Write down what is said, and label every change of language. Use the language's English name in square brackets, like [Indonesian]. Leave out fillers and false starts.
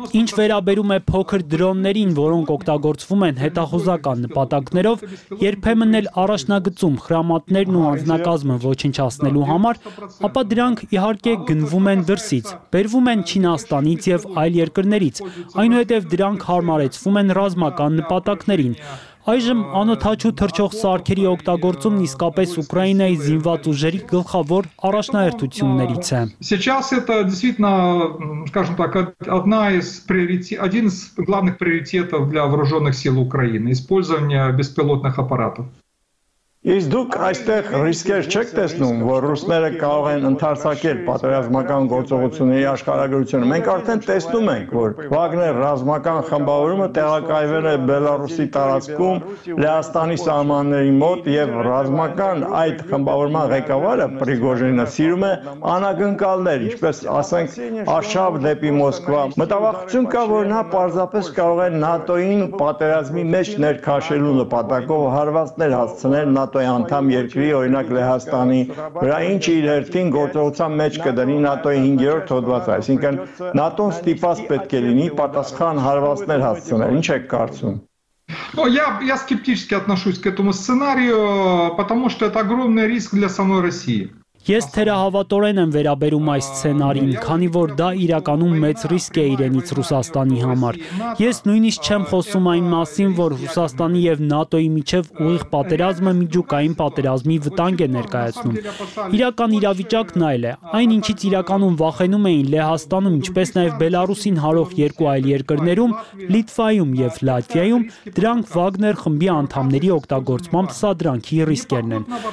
[Armenian] Ինչ վերաբերում է փոքր դրոններին, որոնք օգտագործվում են հետախուզական նպատակներով, երբեմն էլ առաջնագծում խրամատներն ու անձնակազմը ոչնչացնելու համար, ապա դրանք իհարկե գնվում են դրսից, բերվում են Չինաստանից և այլ երկրներից, այնուհետև դրանք հարմարեցվում են ռազմական նպատակներին։ Այժմ անօթաչու թռչող սարքերի օգտագործումն իսկապես Ուկրաինայի զինված ուժերի գլխավոր առաջնահերթություններից է։ [Russian] Сейчас это действительно, скажем так, одна из приоритетов, один из главных приоритетов для вооружённых сил Украины использование беспилотных аппаратов. [Armenian] Իսկ դուք այստեղ ռիսկեր չեք տեսնում, որ ռուսները կարող են ընդարձակել պատերազմական գործողությունների աշխարհագրությունը։ Մենք արդեն տեսնում ենք, որ Վագներ ռազմական խմբավորումը տեղակայվել է Բելարուսի տարածքում, Լեհաստանի սահմանների մոտ, և ռազմական այդ խմբավորման ղեկավարը Պրիգոժինը սիրում է անակնկալներ, ինչպես ասենք, արշավ դեպի Մոսկվա։ Մտավախություն կա, որ նա պարզապես կարող է ՆԱՏՕ-ին պատերազմի մեջ ներքաշելու նպատակով հարվածներ հասցնել ՆԱՏՕ-ի անդամ երկրի, օրինակ Լեհաստանի, վրա, ինչ իր հերթին գործողության մեջ կդնի ՆԱՏՕ-ի 5-րդ հոդվածը, այսինքն ՆԱՏՕ-ն ստիպված պետք է լինի պատասխան հարվածներ հասցնել։ Ինչ եք կարծում։ [Russian] Но я скептически отношусь к этому сценарию, потому что это огромный риск для самой России. [Armenian] Ես թերահավատորեն եմ վերաբերում այս սցենարին, քանի որ դա իրականում մեծ ռիսկ է իրենից Ռուսաստանի համար։ Ես նույնիսկ չեմ խոսում այն մասին, որ Ռուսաստանի և ՆԱՏՕ-ի միջև ուղիղ պատերազմը միջուկային պատերազմի վտանգ է ներկայացնում։ Իրական իրավիճակն այլ է։ Այն, ինչից իրականում վախենում էին Լեհաստանում, ինչպես նաև Բելարուսին հարող երկու այլ երկրներում, Լիտվայում և Լատվիայում, դրանք Վագներ խմբի անդամների օգտագործմամբ սադրանքի ռիսկերն են։